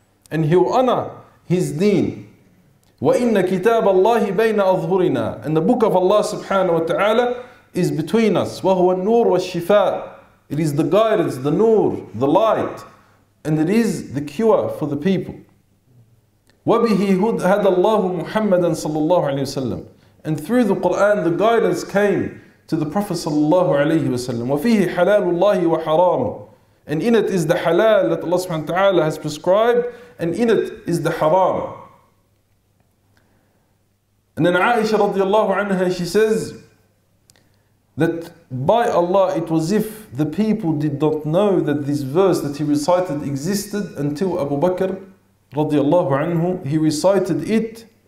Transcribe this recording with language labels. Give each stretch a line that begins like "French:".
English: And he will honor his deen.
Arabic: وَإِنَّ كِتَابَ اللَّهِ بَيْنَ أَظْهُرِنَا.
English: And the book of Allah subhanahu wa ta'ala is between us.
Arabic: وَهُوَ النُّورُ وَالشِّفَاءُ.
English: It is the guidance, the nur, the light. And it is the cure for the people.
Arabic: وَبِهِ هَدَى اللَّهُ مُحَمَّدًا صلى الله عليه وسلم.
English: And through the Qur'an, the guidance came to the Prophet صلى الله عليه وسلم.
Arabic: وَفِيهِ حَلَالُ اللَّهِ وَحَرَامُ.
English: And in it is the halal that Allah subhanahu wa ta'ala has prescribed. And in it is the haram. And then Aisha radiallahu anha, she says that by Allah it was if the people did not know that this verse that he recited existed until Abu Bakr radiallahu anhu, he recited it,